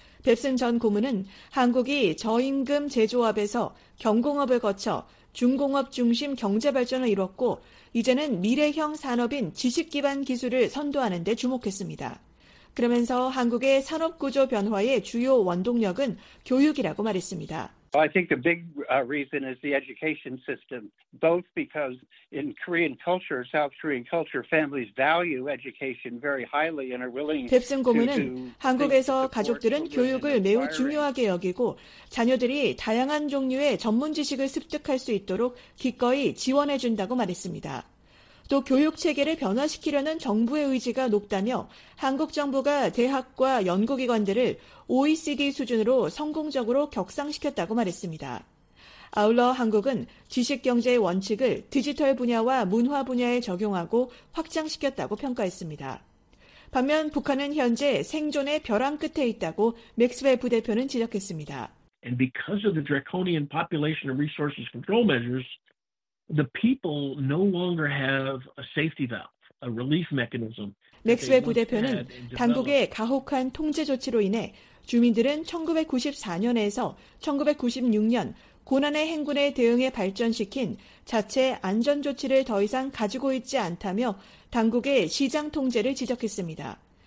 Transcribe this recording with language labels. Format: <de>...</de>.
<ko>뎁슨 전 고문은 한국이 저임금 제조업에서 경공업을 거쳐 중공업 중심 경제 발전을 이뤘고 이제는 미래형 산업인 지식 기반 기술을 선도하는 데 주목했습니다. 그러면서 한국의 산업 구조 변화의 주요 원동력은 교육이라고 말했습니다.</ko> <en>I think the big reason is the education system, both because in Korean culture, South Korean culture, families value education very highly and are willing to.</en> <ko>뎁슨 고문은 한국에서 가족들은 교육을 매우 중요하게 여기고 자녀들이 다양한 종류의 전문 지식을 습득할 수 있도록 기꺼이 지원해 준다고 말했습니다. 또 교육 체계를 변화시키려는 정부의 의지가 높다며 한국 정부가 대학과 연구기관들을 OECD 수준으로 성공적으로 격상시켰다고 말했습니다. 아울러 한국은 지식경제의 원칙을 디지털 분야와 문화 분야에 적용하고 확장시켰다고 평가했습니다. 반면 북한은 현재 생존의 벼랑 끝에 있다고 맥스웰 부대표는 지적했습니다.</ko> <en>And because of the draconian population and resources control measures, the people no longer have a safety valve, a relief mechanism.</en> <ko>맥스웰 부대표는 당국의 가혹한 통제 조치로 인해 주민들은 1994년에서 1996년 고난의 행군의 대응에 발전시킨 자체 안전조치를 더 이상 가지고 있지 않다며 당국의 시장 통제를 지적했습니다.</ko>